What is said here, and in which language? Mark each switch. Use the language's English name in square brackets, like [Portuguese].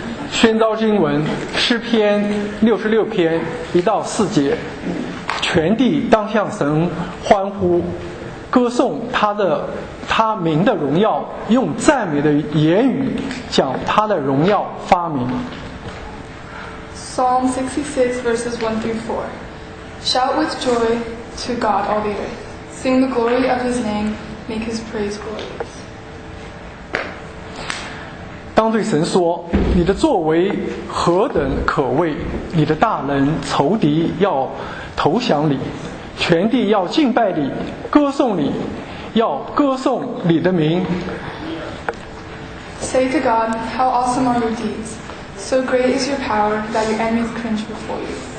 [Chinese] 宣召经文，诗篇66篇1到4节，全地当向神欢呼，歌颂他名的荣耀，用赞美的言语讲他的荣耀发明。 [English] Psalm 66 verses 1 through 4. Shout with joy to God all the earth. Sing the glory of his name, make his praise glorious. [Chinese] 当对神说，你的作为何等可畏，你的大能仇敌要投降你，全地要敬拜你，歌颂你，要歌颂你的名。 [English] Say to God, how awesome are your deeds. So great is your power that your enemies cringe before you.